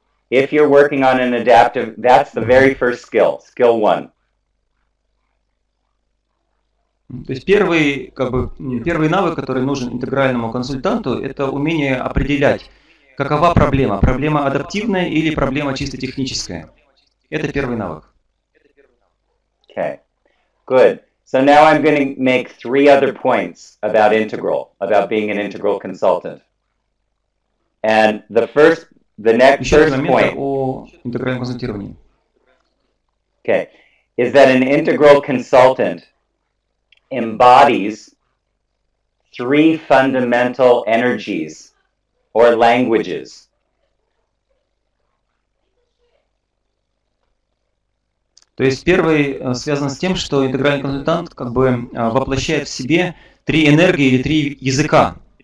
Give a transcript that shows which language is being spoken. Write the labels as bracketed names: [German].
[English] If you're working on an adaptive, that's the very first skill, skill one. [Russian] То есть первый, как бы, первый навык, который нужен интегральному консультанту, это умение определять, какова проблема, проблема адаптивная или проблема чисто техническая. Это первый навык. [English] Okay, good. So now I'm going to make three other points about integral, about being an integral consultant. And the next point is that an integral consultant embodies three fundamental energies or languages. [Russian] То есть первый связан с тем, что интегральный консультант как бы воплощает в себе три энергии или три языка.